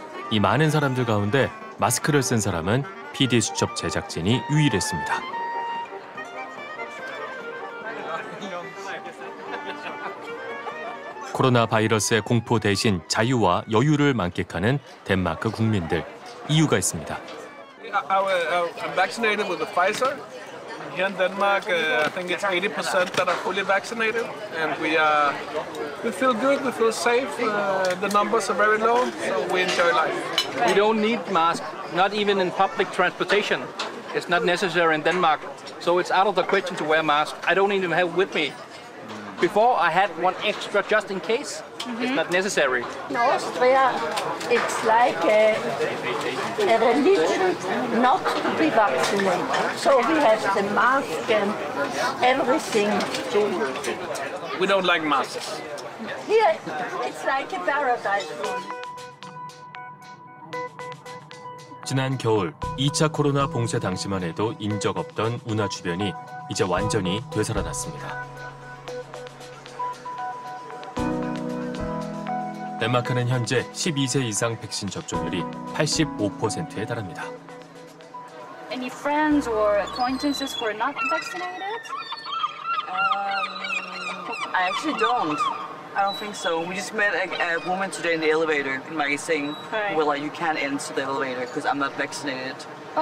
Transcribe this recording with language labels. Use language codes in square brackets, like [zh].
[ko] 이 많은 사람들 가운데 마스크를 쓴 사람은 PD수첩 제작진이 유일했습니다. 코로나 바이러스의 공포 대신 자유와 여유를 만끽하는 덴마크 국민들. 이유가 있습니다. [en] I'm vaccinated with the Pfizer. Here in Denmark, I think it's 80% that are fully vaccinated. And we feel good, we feel safe. The numbers are very low, so we enjoy life. We don't need masks, not even in public transportation. It's not necessary in Denmark. So it's out of the question to wear masks. I don't even have it with me. Before, I had one extra just in case. Mm-hmm. It's not necessary. In Austria, it's like a religion not to be vaccinated. So we have the mask and everything. We don't like masks. Here, it's like a paradise. [ko] 지난 겨울 2차 코로나 봉쇄 당시만 해도 인적 없던 운하 주변이 이제 완전히 되살아났습니다. 덴마크는 현재 12세 이상 백신 접종률이 85%에 달합니다. [en] Any friends or acquaintances who are not vaccinated? I actually don't. I don't think so. We just met a woman today in the elevator in my saying, right. Well, like, you can't enter the elevator because I'm not vaccinated. Oh.